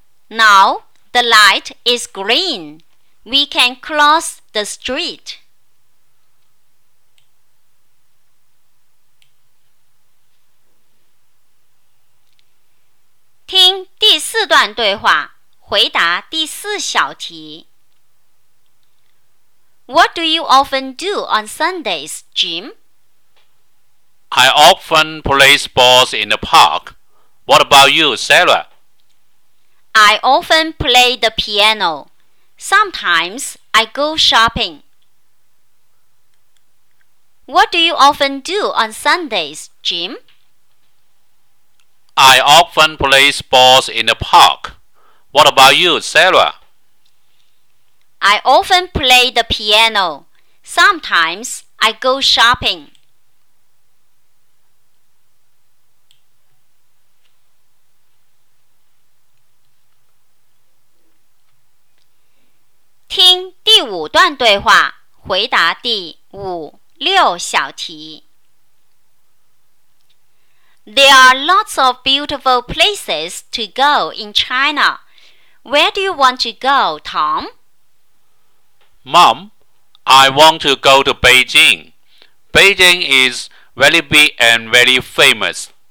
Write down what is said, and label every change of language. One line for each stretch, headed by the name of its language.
English: Now, the light is green. We can cross the street.
Chinese: 听第四段对话，回答第四小题。
English: What do you often do on Sundays, Jim? I often play sports in the park. What about you, Sarah? I often play the piano. Sometimes I go shopping. What do you often do on Sundays, Jim? I often play sports in the park. What about you, Sarah? I often play the piano. Sometimes I go shopping.
Chinese: 听第五段对话，回答第五、六小题。
English: There are lots of beautiful places to go in China. Where do you want to go, Tom? Mom, I want to go to Beijing. Beijing is very big and very famous.